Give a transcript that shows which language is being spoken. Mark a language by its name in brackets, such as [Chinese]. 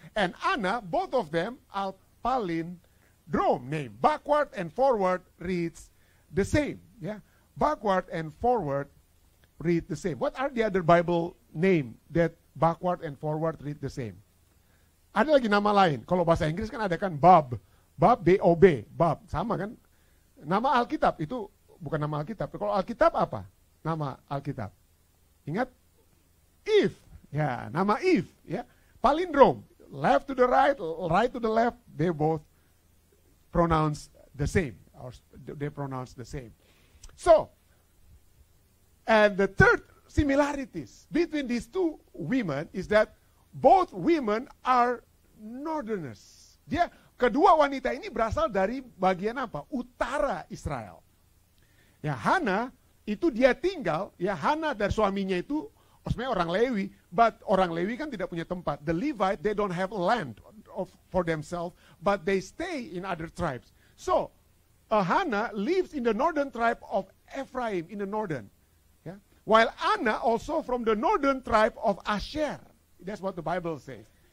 [English] And Anna, both of them are palindrome name. Backward and forward reads the same. Yeah? Backward and forward read the same. What are the other Bible name that backward and forward read the same? [Indonesian] Ada lagi nama lain. Kalau bahasa Inggris kan ada kan Bob. Bob, B-O-B. Bob, sama kan? Nama Alkitab, itu bukan nama Alkitab. Kalau Alkitab apa? Nama Alkitab. Ingat, Eve, ya, nama Eve, ya, [English] palindrome, left to the right, right to the left, they both pronounce the same, or they pronounce the same. So, and the third similarities between these two women is that both women are northerners. [Indonesian] Dia, kedua wanita ini berasal dari bagian apa? Utara Israel. Ya, Hannah, itu dia tinggal, ya, Hannah dan suaminya itu sebenarnya orang Lewi, but orang Lewi kan tidak punya tempat. [English] The Levite, they don't have land for themselves, but they stay in other tribes. So, Hannah lives in the northern tribe of Ephraim, in the northern. Yeah? While Anna also from the northern tribe of Asher. That's what the Bible says.